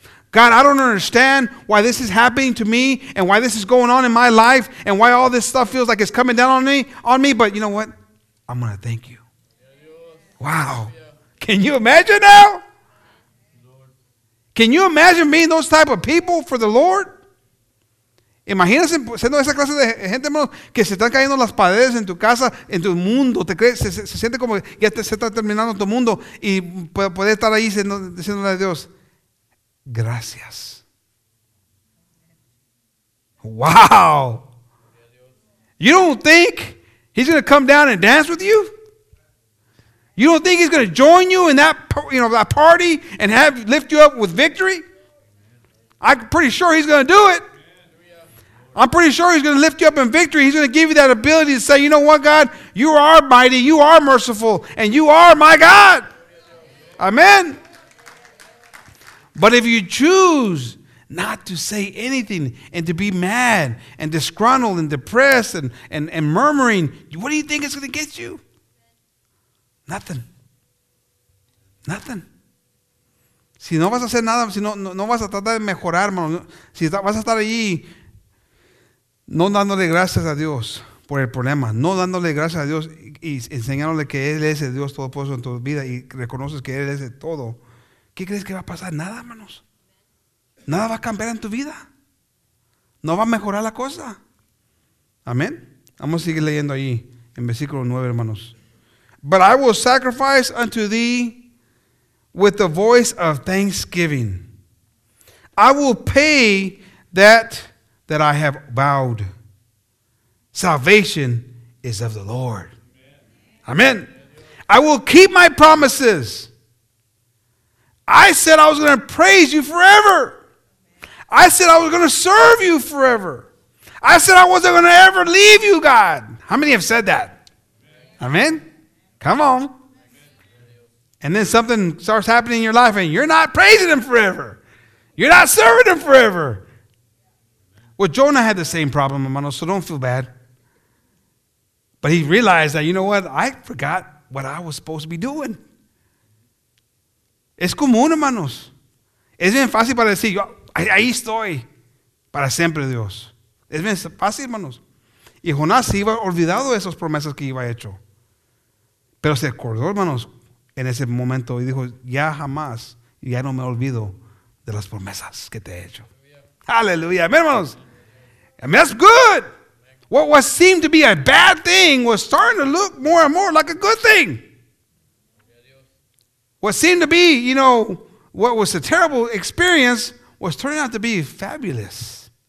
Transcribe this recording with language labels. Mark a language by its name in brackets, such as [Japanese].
[English] God, I don't understand why this is happening to me and why this is going on in my life and why all this stuff feels like it's coming down on me, but you know what? I'm going to thank you. Wow. Can you imagine now? Can you imagine being those type of people for the Lord? [Spanish] Imagínense siendo esa clase de gente que se están cayendo las paredes en tu casa, en tu mundo. Te crees, se siente como ya se está terminando tu mundo y poder estar ahí diciéndole a Dios, gracias. [English] Wow. You don't think he's going to come down and dance with you? You don't think he's going to join you in that, you know, that party and have lift you up with victory? I'm pretty sure he's going to do it. I'm pretty sure he's going to lift you up in victory. He's going to give you that ability to say, you know what, God? You are mighty. You are merciful. And you are my God. Amen. But if you choose not to say anything and to be mad and disgruntled and depressed and murmuring, what do you think is going to get you? Nothing. Nothing. [Spanish] Si no vas a hacer nada, si no vas a tratar de mejorar, hermano, si vas a estar allí no dándole gracias a Dios por el problema, no dándole gracias a Dios y enseñándole que Él es el Dios Todopoderoso en tu vida y reconoces que Él es de todo, ¿qué crees que va a pasar? Nada, hermanos. Nada va a cambiar en tu vida. No va a mejorar la cosa. Amén. Vamos a seguir leyendo ahí en versículo 9, hermanos. [English] But I will sacrifice unto thee with the voice of thanksgiving. I will pay that I have vowed. Salvation is of the Lord. Amen. I will keep my promises. I said I was going to praise you forever. I said I was going to serve you forever. I said I wasn't going to ever leave you, God. How many have said that? Amen. Come on. And then something starts happening in your life and you're not praising him forever. You're not serving him forever. Well, Jonah had the same problem, Amano, so don't feel bad. But he realized that, you know what? I forgot what I was supposed to be doing. [Spanish] Es común, hermanos. Es bien fácil para decir, yo, ahí estoy para siempre, Dios. Es bien fácil, hermanos. Y Jonás se iba olvidado de esas promesas que iba hecho. Pero se acordó, hermanos, en ese momento y dijo, ya jamás, ya no me olvido de las promesas que te he hecho. Aleluya. Amén, hermanos. [English] And that's good. What seemed to be a bad thing was starting to look more and more like a good thing. What seemed to be, you know, what was a terrible experience was turning out to be fabulous.